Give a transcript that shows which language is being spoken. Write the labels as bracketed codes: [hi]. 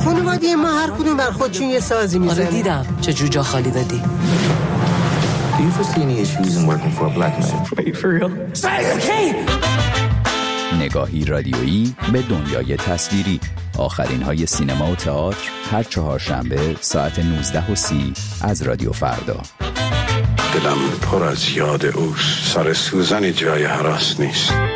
[fa] خانواده ما هر کدوم بر خودشون یه سازی میزنه. آره دیدم چه جوجه خالی دادی. [en] Do you foresee any issues in working for a black man? Are you for real? Say okay! [fa] نگاهی رادیویی به دنیای تصویری، آخرین های سینما و تئاتر هر چهارشنبه ساعت 19:30 از رادیو فردا. دلم پر از یاد اوست، سر سوزنی جای هراس نیست.